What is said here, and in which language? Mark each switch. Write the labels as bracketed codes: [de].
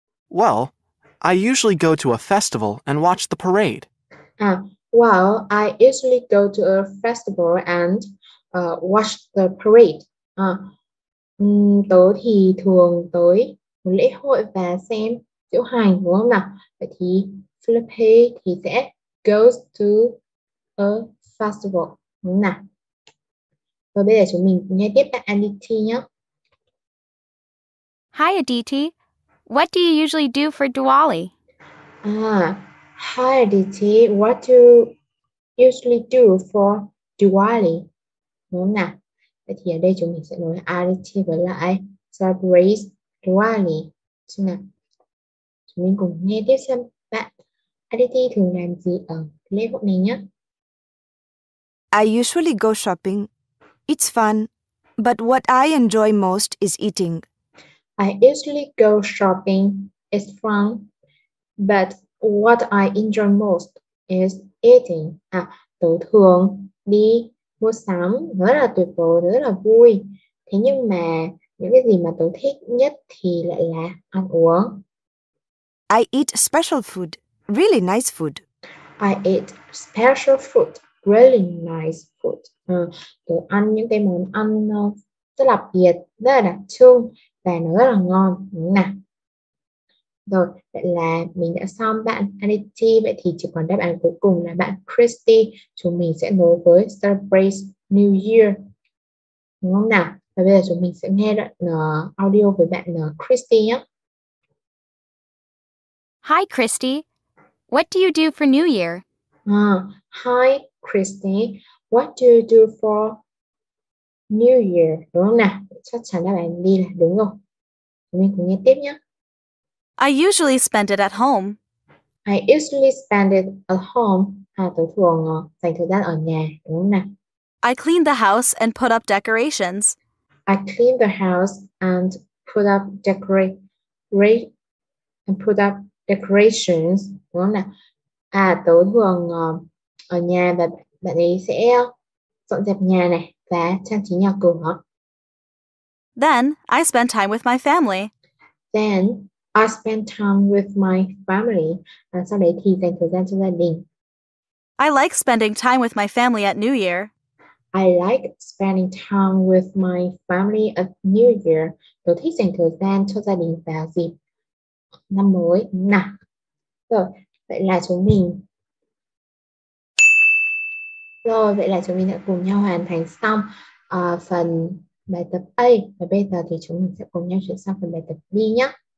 [en] Well, I usually go to a festival and watch the parade. À, well, I usually go to a festival and watch the parade. [vi] À, tớ thì thường tới một lễ hội và xem diễu hành đúng không nào? Vậy thì Philippines thì sẽ [en] goes to a festival [vi] đúng nào? Và bây giờ chúng mình nghe tiếp bạn Aditi nhé. [en] Hi, Aditi. What do you usually do for Diwali? À, hi Aditi, what do you usually do for Diwali? [vi] Đúng nào? Vậy thì ở đây chúng mình sẽ nói Aditi với lại celebrate Diwali. Xem nào. Mình cùng nghe tiếp xem bạn Aditi thường làm gì ở lễ hội này nhé. [en] I usually go shopping. It's fun, but what I enjoy most is eating. I usually go shopping. It's fun, but what I enjoy most is eating. [vi] À, tôi thường đi mua sắm rất là tuyệt vời, rất là vui. Thế nhưng mà những cái gì mà tôi thích nhất thì lại là ăn uống. [en] I eat special food, really nice food. I eat special food, really nice food. [vi] Tôi ăn những cái món ăn rất là biệt, rất là đặc trưng và nó rất là ngon. Nè. Rồi, vậy là mình đã xong bạn Anity. Vậy thì chỉ còn đáp án cuối cùng là bạn Christy. Chúng mình sẽ nối với [en] Celebrate New Year. [vi] Đúng không nào? Và bây giờ chúng mình sẽ nghe đoạn audio với bạn Christy nhé. [en] Hi, Christy. What do you do for New Year? Hi Christy, what do you do for New Year? [vi] Đúng không nào? Chắc chắn là bạn đi là đúng rồi. Mình cùng nghe tiếp nhé. [en] I usually spend it at home. I usually spend it at home. [vi] À, tôi thường dành thời gian ở nhà, đúng không nào? [en] I clean the house and put up decorations. I clean the house and put up decorations, [vi] đúng không nào? À, tớ thường ở nhà và bạn ấy sẽ dọn dẹp nhà này và trang trí nhà cửa. [en] Then I spend time with my family. Then I spend time with my family. [vi] À, sau đấy thì dành thời gian cho gia đình. [en] I like spending time with my family at New Year. I like spending time with my family at New Year. [vi] Tớ thích dành thời gian cho gia đình vào dịp năm mới nào. Rồi. Vậy là chúng mình rồi vậy là chúng mình đã cùng nhau hoàn thành xong phần bài tập A, và bây giờ thì chúng mình sẽ cùng nhau chuyển sang phần bài tập B nhé.